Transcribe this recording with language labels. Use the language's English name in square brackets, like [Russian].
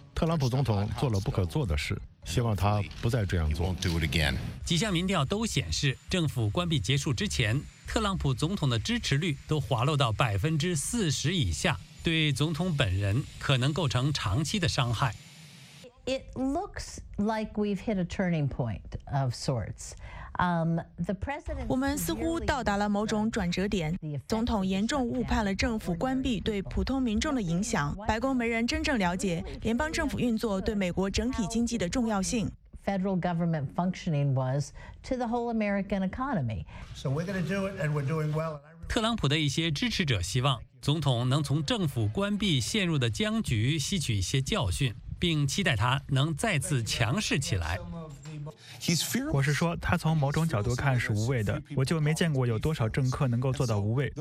[Chinese] 特朗普总统做了不可做的事，希望他不再这样做。几项民调都显示，政府关闭结束之前，特朗普总统的支持率都滑落到40%以下，对总统本人可能构成长期的伤害。 [English] It looks like we've hit a turning point of sorts. The president. [Chinese] 我们似乎到达了某种转折点。总统严重误判了政府关闭对普通民众的影响。白宫没人真正了解联邦政府运作对美国整体经济的重要性。 [English] Federal government functioning was to the whole American economy. So we're going to do it, and we're doing well. [Chinese] 特朗普的一些支持者希望总统能从政府关闭陷入的僵局吸取一些教训。并期待他能再次强势起来。我是说，他从某种角度看是无畏的。我就没见过有多少政客能够做到无畏。